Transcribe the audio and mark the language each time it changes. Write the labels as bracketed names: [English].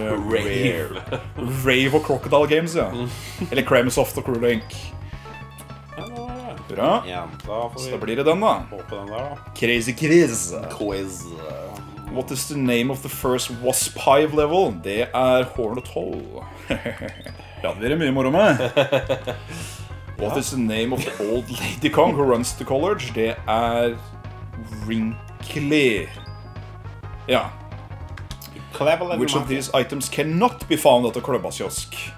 [English] Rare. [Norwegian] Rave og Crocodile Games, ja. Eller Cramesoft og Crew Link. Bra. Ja, så da blir det den da. Håper den der da. [English] Crazy Quiz. Quiz. What is the name of the first Wasp Hive level? [Norwegian] Det er Hornet Hole. Det hadde vært mye moro med. [English] What is the name of the old Lady Kong who runs the college? [Norwegian] Det er Wrinkly. Ja. [English] Which of these items cannot be found at a klubba kiosk?